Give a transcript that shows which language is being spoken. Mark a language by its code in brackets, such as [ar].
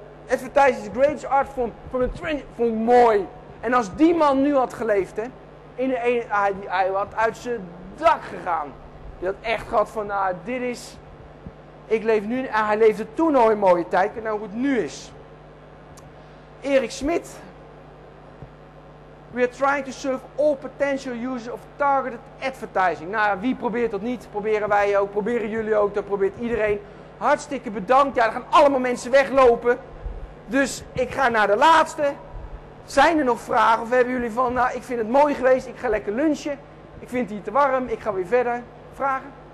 [en] Advertising is the greatest art form from the trend. [nl] Vond ik mooi. En als die man nu had geleefd, hè, hij had uit zijn dak gegaan. Die had echt gehad van, dit is, ik leef nu, hij leefde toen al in mooie tijd. Kijk nou hoe het nu is. Erik Smit, [en] We are trying to serve all potential users of targeted advertising. [nl] Nou, wie probeert dat niet? Proberen wij ook, proberen jullie ook, dat probeert iedereen. Hartstikke bedankt. Ja, er gaan allemaal mensen weglopen. Dus ik ga naar de laatste. Zijn er nog vragen of hebben jullie van, nou, ik vind het mooi geweest, ik ga lekker lunchen. Ik vind het hier te warm, ik ga weer verder. Vragen?